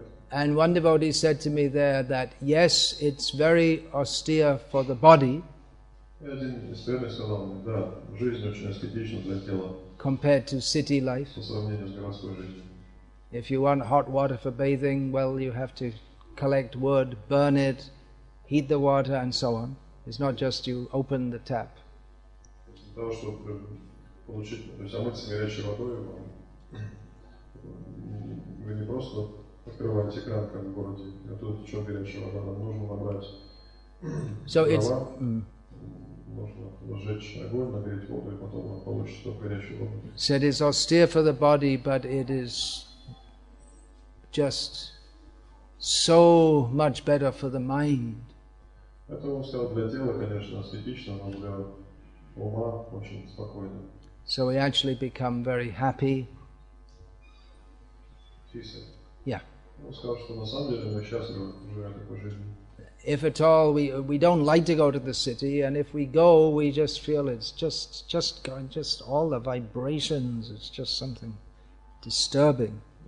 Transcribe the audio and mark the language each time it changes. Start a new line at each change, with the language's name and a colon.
English: And one devotee said to me there that yes, it's very austere for the body.
Russian: И один из первых сказал мне, да, жизнь очень аскетична для тела.
English: Compared to city life.
Russian: По сравнению с городской жизнью.
English: If you want hot water for bathing, well, you have to collect wood, burn it, heat the water, and so on. It's not just you open the tap.
Russian: Для того, чтобы получить, омыться горячей водой, вы не просто открываете кран, как в городе, а тут течет горячая вода, вам нужно набрать
English: So it's...
Russian: Можно зажечь огонь, нагреть воду, и потом получится горячую воду.
English: So it is austere for the body, but it is just so much better for the mind.
Russian: Это он сказал для тела, конечно, аскетично, но для ума очень спокойно.
English: So we actually become very happy. Peace. Yeah.
Russian: Он сказал, что на самом деле мы счастливы, живя такой жизнью.
English: If at all, we don't like to go to the city, and if we go, we just feel it's just all the vibrations, it's just something disturbing.